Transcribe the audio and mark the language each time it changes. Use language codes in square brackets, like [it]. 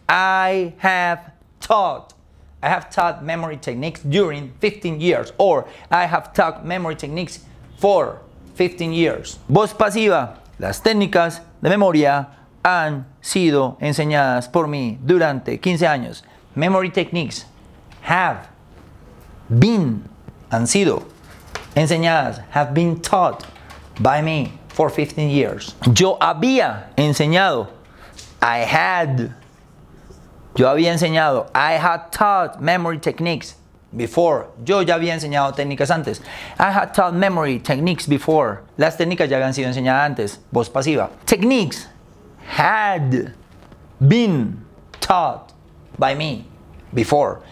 [en] I have taught memory techniques during 15 years. Or, I have taught memory techniques for 15 years. [es] Voz pasiva. Las técnicas de memoria han sido enseñadas por mí durante 15 años. [en] Memory techniques have been, [es] han sido, enseñadas, [en] have been taught by me for 15 years. [es] Yo había enseñado, [en] I had, [es] yo había enseñado, [en] I had taught memory techniques before. [es] Yo ya había enseñado técnicas antes. [en] I had taught memory techniques before. [es] Las técnicas ya habían sido enseñadas antes. Voz pasiva. [en] Techniques had been taught by me before.